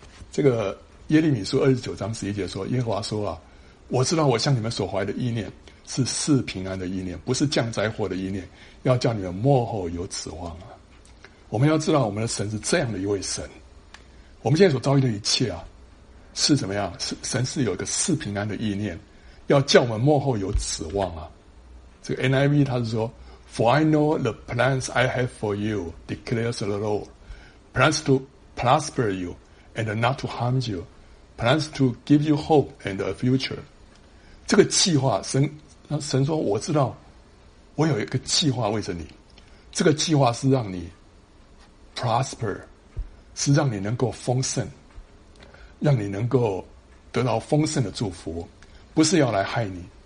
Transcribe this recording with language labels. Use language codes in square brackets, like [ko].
[zh] 这个耶利米书29:11说，耶和华说啊，我知道我向你们所怀的意念是赐平安的意念，不是降灾祸的意念，要叫你们末后有指望啊。我们要知道我们的神是这样的一位神，我们现在所遭遇的一切啊，是怎么样？神是有一个赐平安的意念，要叫我们末后有指望啊。这个 NIV 他是说 [en] For I know the plans I have for you, declares the Lord, plans to prosper you and not to harm you, plans to give you hope and a future. [zh] 这个计划，神说我知道我有一个计划为着你，这个计划是让你 prosper， 是让你能够丰盛，让你能够得到丰盛的祝福，不是要来害你。